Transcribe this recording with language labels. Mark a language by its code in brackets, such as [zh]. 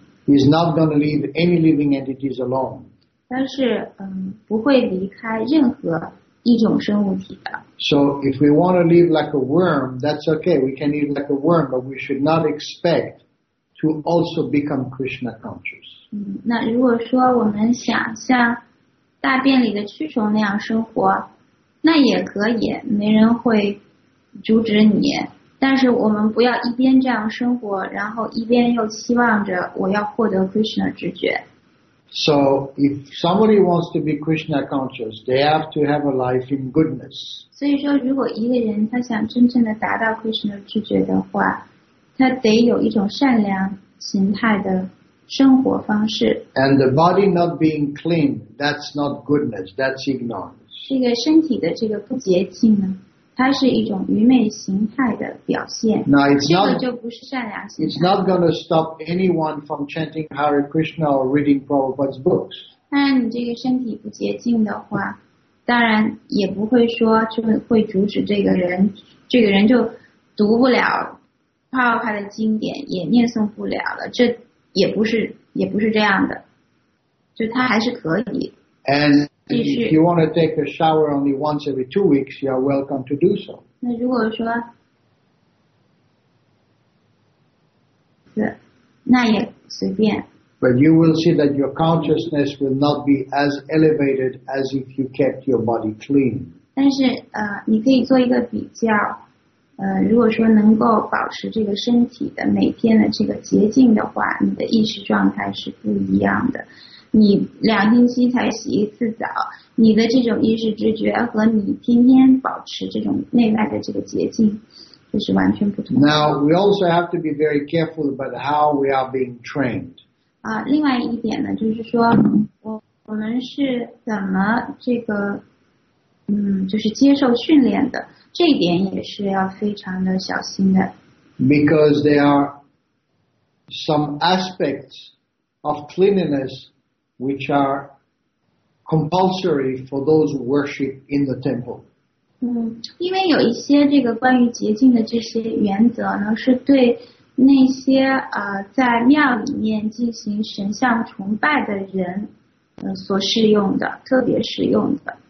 [en] He's not going to leave any living entities alone. [zh] 他是不会离开任何一种生物体的。 [en] So if we want to live like a worm, that's okay. We can live like a worm, but we should not expect to also become Krishna conscious. [zh] 那如果说我们想像大便里的蛆虫那样生活，那也可以，没人会阻止你。但是我们不要一边这样生活，然后一边又期望着我要获得 Krishna 知觉。 [en] So if somebody wants to be Krishna conscious, they have to have a life in goodness. [zh] 所以说，如果一个人他想真正的达到 Krishna 知觉的话，他得有一种善良形态的生活方式。 [en] And the body not being clean, that's not goodness, that's ignorance. [zh] 这个身体的这个不洁净呢，它是一种愚昧形态的表现。 [en] Now it's not, [zh] 这个就不是善良形态。 [en] It's not going to stop anyone from chanting Hare Krishna or reading Prabhupada's books. [zh] 但你这个身体不洁净的话，当然也不会说就会阻止这个人，这个人就读不了Prabhupada的经典，也念诵不了了。这也不是，也不是这样的，就他还是可以。 [en] And if you want to take a shower only once every 2 weeks, you are welcome to do so. [zh] 那如果说，那也随便。 [en] But you will see that your consciousness will not be as elevated as if you kept your body clean. [zh] 但是你可以做一个比较，如果说能够保持这个身体的每天的这个洁净的话，你的意识状态是不一样的。你两星期才洗一次澡，你的这种意识知觉和你天天保持这种内外的这个洁净，这是完全不同的。 [en] Now we also have to be very careful about how we are being trained. [zh] 另外一点呢，就是说我们是怎么这个，就是接受训练的，这一点也是要非常的小心的。 [en] Because there are some aspects of cleanliness. Which are compulsory for those who worship in the temple. [zh] 因为有一些这个关于洁净的这些原则呢，是对那些在庙里面进行神像崇拜的人所适用的，特别适用的。